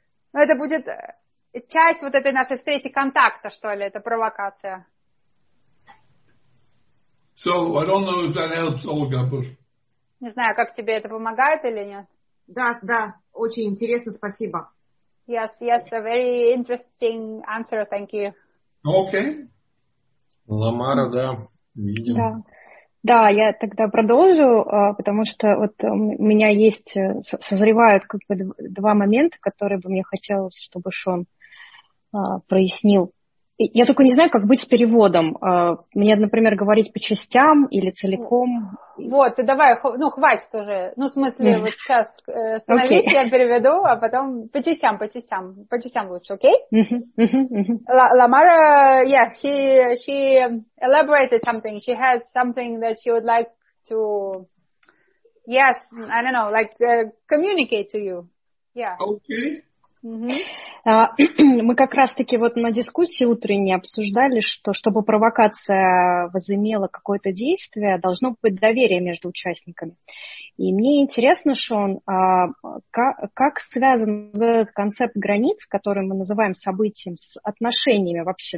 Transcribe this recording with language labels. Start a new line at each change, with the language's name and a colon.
Russian: Ну, это будет часть вот этой нашей встречи контакта, что ли, это провокация.
English: So, I don't know if that helps, Olga, but...
Russian: Не знаю, как тебе это помогает или нет. Да, да, очень интересно, спасибо.
English: Yes, yes, a very interesting answer, thank you. Okay.
Russian: Ламара, да, видим. Да. Да, я тогда продолжу, потому что вот у меня есть, созревают как бы два момента, которые бы мне хотелось, чтобы Шон прояснил. Я только не знаю, как быть с переводом. Мне, например, говорить по частям или целиком. Вот, ты давай, ну хватит уже. Ну, в смысле, вот сейчас остановись, okay. Я переведу, а потом по частям лучше, окей?
English: Ламара, yes, she elaborated something. She has something that she would like to, yes, I don't know, like communicate to you. Yeah. Okay. Mm-hmm.
Russian: Мы как раз-таки вот на дискуссии утренней обсуждали, что чтобы провокация возымела какое-то действие, должно быть доверие между участниками. И мне интересно, Шон, как связан этот концепт границ, который мы называем событием, с отношениями вообще?